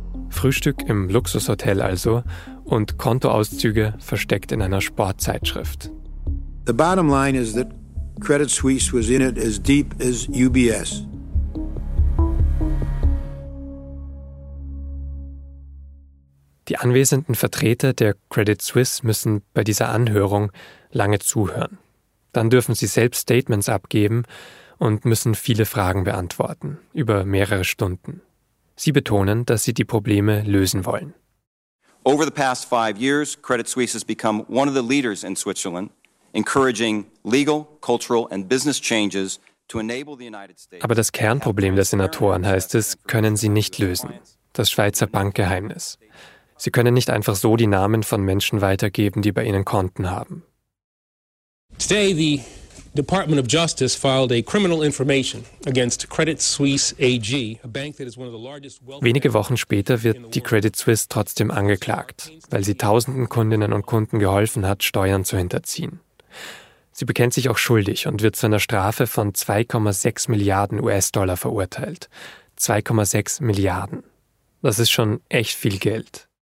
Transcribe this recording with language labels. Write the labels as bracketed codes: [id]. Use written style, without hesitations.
[de] Frühstück im Luxushotel also und Kontoauszüge versteckt in einer Sportzeitschrift. [en] The bottom line is that Credit Suisse was in it as deep as UBS. [de] Die anwesenden Vertreter der Credit Suisse müssen bei dieser Anhörung lange zuhören. Dann dürfen sie selbst Statements abgeben und müssen viele Fragen beantworten, über mehrere Stunden. Sie betonen, dass sie die Probleme lösen wollen. [en] Over the past 5 years, Credit Suisse has become one of the leaders in Switzerland. Encouraging legal, cultural and business changes to enable the United States. [de] Aber das Kernproblem der Senatoren, heißt es, können sie nicht lösen. Das Schweizer Bankgeheimnis. Sie können nicht einfach so die Namen von Menschen weitergeben, die bei ihnen Konten haben. [en] Today the Department of Justice filed a criminal information against Credit Suisse AG, a bank that is one of the largest wealth. [de] Wenige Wochen später wird die Credit Suisse trotzdem angeklagt, weil sie tausenden Kundinnen und Kunden geholfen hat, Steuern zu hinterziehen. Sie bekennt sich auch schuldig und wird zu einer Strafe von 2,6 Milliarden US-Dollar verurteilt. 2,6 Milliarden. Das ist schon echt viel Geld.